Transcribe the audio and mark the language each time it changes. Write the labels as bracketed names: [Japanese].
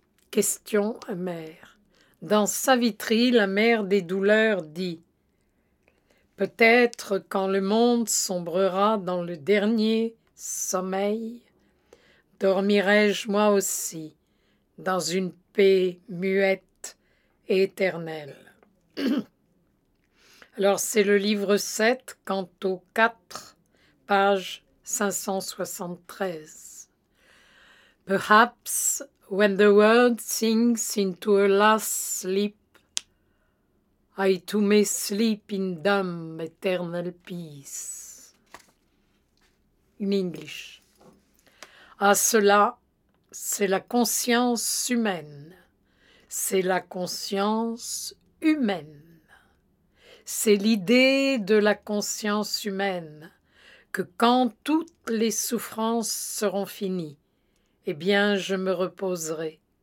[French] Question amère. Dans Savitri, la mère des douleurs dit « Peut-être quand le monde sombrera dans le dernier sommeil, dormirai-je moi aussi dans une paix muette et éternelle. » Alors, c'est le livre 7, quant au 4, page 573. [English] Perhaps when the world sinks into a last sleep, I too may sleep in dumb eternal peace. In English. [French] Ah, cela, c'est la conscience humaine. C'est la conscience humaine. C'est l'idée de la conscience humaine que quand toutes les souffrances seront finies, eh bien, je me reposerai.